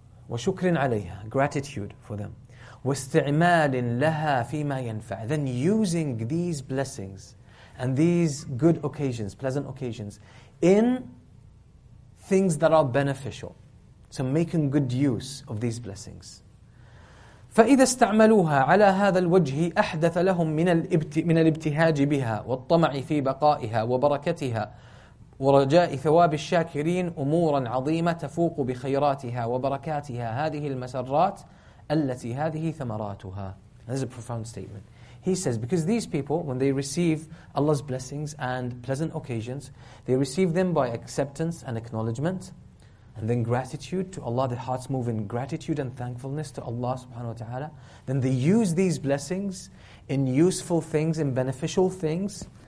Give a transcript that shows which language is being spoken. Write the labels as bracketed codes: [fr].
[ar] وَشُكْرٍ عَلَيْهَا. [en] Gratitude for them. [ar] وَاسْتِعْمَالٍ لَهَا فِيمَا يَنْفَعَ. [en] Then using these blessings and these good occasions, pleasant occasions, in things that are beneficial. So making good use of these blessings. [ar] فَإِذَا اسْتَعْمَلُوهَا عَلَى هَذَا الْوَجْهِ أَحْدَثَ لَهُمْ مِنَ الْإِبْتِهَاجِ بِهَا وَالطَّمَعِ فِي بَقَائِهَا وَبَرَكَتِهَا ورجاء ثواب الشاكرين أمورا عظيمة تفوق بخيراتها وبركاتها هذه المسرات التي هذه ثمراتها. [en] This is a profound statement. He says, because these people, when they receive Allah's blessings and pleasant occasions, they receive them by acceptance and acknowledgement, and then gratitude to Allah, their hearts move in gratitude and thankfulness to Allah subhanahu wa ta'ala. Then they use these blessings in useful things, in beneficial things.